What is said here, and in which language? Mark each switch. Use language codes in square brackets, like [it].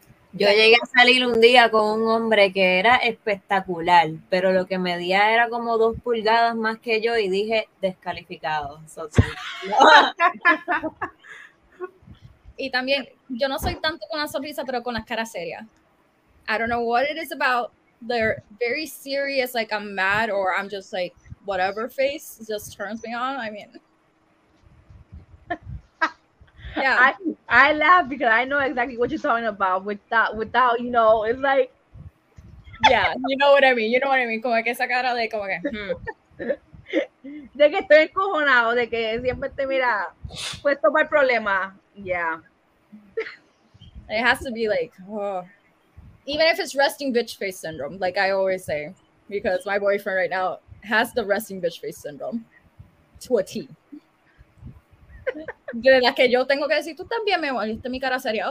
[es] Yo llegué a salir un día con un hombre que era espectacular, pero lo que medía era como 2 pulgadas más que yo, y dije, descalificado. So, sí. Y también, yo no soy tanto con la sonrisa, pero con las caras serias. [en] I don't know what it is about. They're very serious, like I'm mad or I'm just like whatever face just turns me on. I mean, yeah, I laugh because I know exactly what you're talking about without you know, it's like, yeah, you know what I mean, you know what I mean. [es] Como que esa cara de como que de que estoy encojonado, de que siempre te mira puesto para el problema. [en] Yeah, it has to be like, oh. Even if it's resting bitch face syndrome, like I always say, because my boyfriend right now has the resting bitch face syndrome to a T. [es] De la que yo tengo que decir, tú también me moriste mi cara seria.